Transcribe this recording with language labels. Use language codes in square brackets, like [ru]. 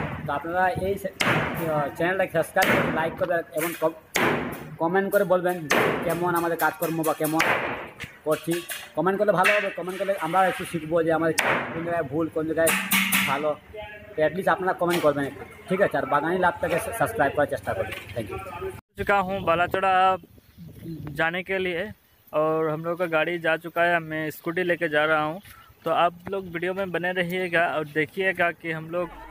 [bn] তো আপনারা এই চ্যানেলটাকে সাবস্ক্রাইব করে লাইক করবেন এবং কমেন্ট করে বলবেন কেমন আমাদের কাজকর্ম বা কেমন করছি। কমেন্ট করলে ভালো হবে, কমেন্ট করলে আমরা একটু শিখবো যে আমাদের কোন জায়গায় ভুল, কোন জায়গায় ভালো। তো অ্যাটলিস্ট আপনারা কমেন্ট করবেন একটু, ঠিক আছে? আর বাগানি লাভটাকে সাবস্ক্রাইব করার চেষ্টা করবেন। [en] Thank you. [hi] চুকা হুম বালাচড়া জানে কে লিয়ে और हम लोग का गाड़ी जा चुका है, मैं स्कूटी लेके जा रहा हूँ। तो आप लोग वीडियो में बने रहिएगा और देखिएगा कि हम लोग